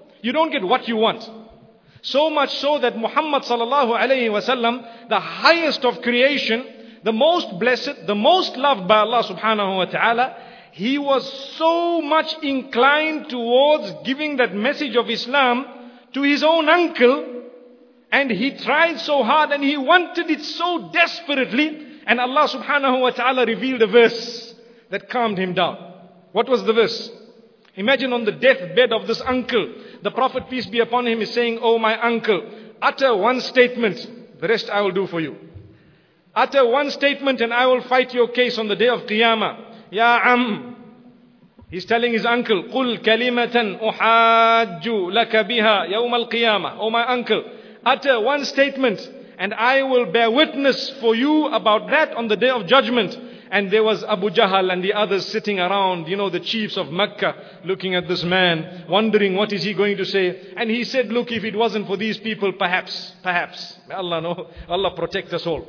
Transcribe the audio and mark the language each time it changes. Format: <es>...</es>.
<en>You don't get what you want. So much so that Muhammad sallallahu alayhi wa sallam, the highest of creation, the most blessed, the most loved by Allah subhanahu wa ta'ala, he was so much inclined towards giving that message of Islam to his own uncle, and he tried so hard and he wanted it so desperately, and Allah subhanahu wa ta'ala revealed a verse that calmed him down. What was the verse? Imagine on the deathbed of this uncle, the Prophet, peace be upon him, is saying, oh my uncle, utter one statement, the rest I will do for you. Utter one statement and I will fight your case on the day of Qiyamah.</en> <ar>Ya Am.</ar> <en>He's telling his uncle,</en> <ar>قُلْ كَلِمَةً أُحَاجُّ لَكَ بِهَا يَوْمَ الْقِيَامَةِ.</ar> <en>Oh my uncle, utter one statement and I will bear witness for you about that on the day of judgment. And there was Abu Jahl and the others sitting around, you know, the chiefs of Mecca, looking at this man, wondering what is he going to say. And he said, look, if it wasn't for these people, perhaps, may Allah know, Allah protect us all.</en>